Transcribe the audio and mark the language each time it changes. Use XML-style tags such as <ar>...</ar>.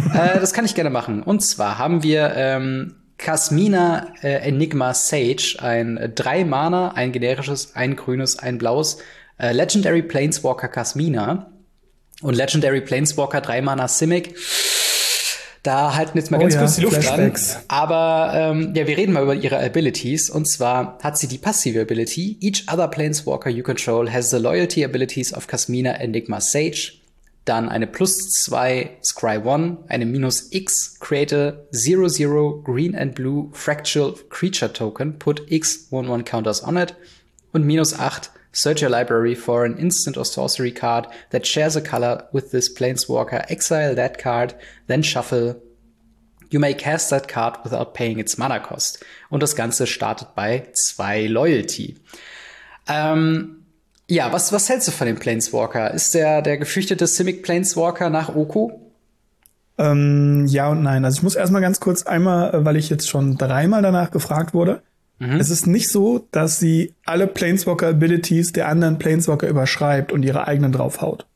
<de>Das kann ich gerne machen. Und zwar haben wir Kasmina Enigma Sage, ein 3-Mana, ein generisches, ein grünes, ein blaues Legendary Planeswalker Kasmina. Und Legendary Planeswalker 3-Mana Simic. Da halten jetzt mal ganz kurz die Luft dran. Aber wir reden mal über ihre Abilities. Und zwar hat sie die passive Ability.</de> <en>Each other Planeswalker you control has the loyalty abilities of Kasmina Enigma Sage.</en> <de>Dann eine</de> <en>+2 Scry 1, eine -X create a 0/0 green and blue fractal creature token. Put X 1/1 counters on it. Und -8 search your library for an instant or sorcery card that shares a color with this planeswalker. Exile that card, then shuffle. You may cast that card without paying its mana cost.</en> <de>Und das Ganze startet bei 2 Loyalty. Ja, was hältst du von dem Planeswalker? Ist der gefürchtete Simic Planeswalker nach Oko? Ja und nein. Also ich muss erstmal ganz kurz einmal, weil ich jetzt schon dreimal danach gefragt wurde. Mhm. Es ist nicht so, dass sie alle Planeswalker-Abilities der anderen Planeswalker überschreibt und ihre eigenen draufhaut.</de>